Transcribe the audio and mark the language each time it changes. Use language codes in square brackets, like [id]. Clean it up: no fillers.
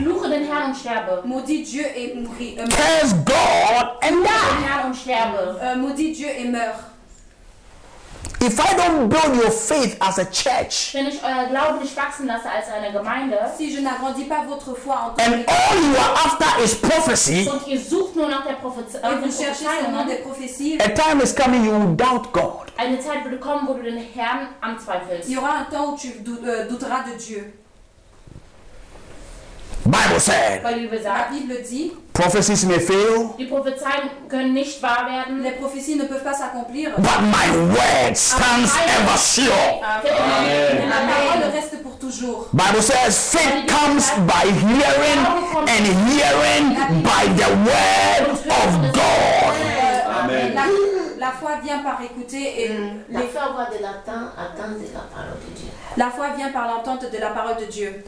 [de] Fluche den Herrn und sterbe. [fr] Maudit Dieu et mourir. [en] Curse God and die. [de] Fluche den Herrn und sterbe. [fr] Maudit Dieu et meurt. [en] If I don't build your faith as a church, [de] wenn ich euer Glauben nicht wachsen lasse als eine Gemeinde, [fr] si je n'agrandis pas votre foi en [en] and all you are after is prophecy, [de] und ihr sucht nur nach der Prophezeiung, [en] a time is coming you will doubt God. [de] Eine Zeit wird kommen, wo du den Herrn anzweifelst. [fr] Il y aura un temps où tu douteras de Dieu. [en] Bible said, [fr] la Bible dit, [en] prophecies may fail. [de] Die Prophezeien können nicht wahr werden. [fr] Les prophéties ne peuvent pas s'accomplir. [en] But my word stands ever sure. Amen. [fr] La parole reste pour toujours. [en] Bible says, faith comes by hearing, and hearing by the word of God. Amen. [fr] La foi vient par écouter et la foi voit de l'attente, attente de la parole de Dieu. La foi vient par l'entente de la parole de Dieu.